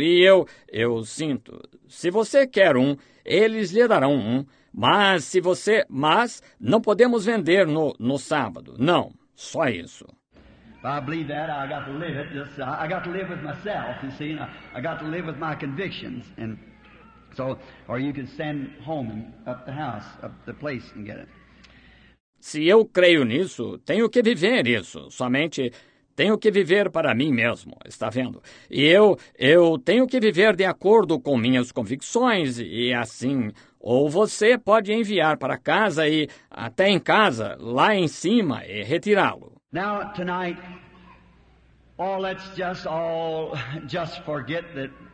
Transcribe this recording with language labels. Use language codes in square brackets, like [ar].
[pt] E eu sinto. Se você quer um, eles lhe darão um, mas não podemos vender no sábado. Não, só isso." [en] I believe that, I got to live it. I got to live with myself, you see. I got to live with my convictions. And so, or you can send home up the house, up the place and get it. [pt] Se eu creio nisso, tenho que viver isso. Somente tenho que viver para mim mesmo, está vendo? E eu tenho que viver de acordo com minhas convicções e assim. Ou você pode enviar para casa e até em casa, lá em cima, e retirá-lo. [en] Now, tonight, let's just all just forget that.